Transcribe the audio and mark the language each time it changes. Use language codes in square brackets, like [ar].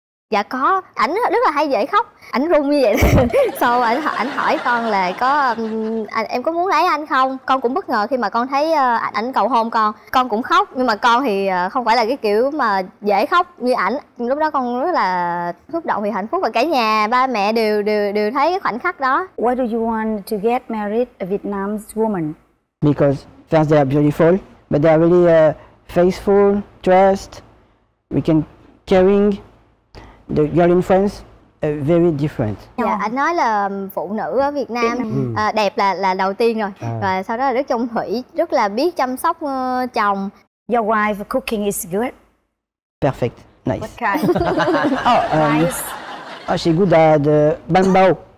[vi] Dạ có, ảnh rất là hay dễ khóc, ảnh run như vậy. Sau ảnh hỏi con là có em có muốn lấy anh không. Con cũng bất ngờ khi mà con thấy ảnh cầu hôn con. Con cũng khóc, nhưng mà con thì không phải là cái kiểu mà dễ khóc như ảnh. Lúc đó con rất là xúc động vì hạnh phúc, và cả nhà ba mẹ đều thấy cái khoảnh khắc đó. [en] Why do you want to get married a Vietnamese woman? Because first they are beautiful, but they are really faithful, trust, we can caring. The girl in France very different. [vi] Anh nói là phụ nữ ở Việt Nam đẹp là đầu tiên rồi, và sau đó là rất trung thủy, rất là biết chăm sóc chồng. [en] Your wife cooking is good. Perfect, nice. What kind? Nice. She good at the bánh bao.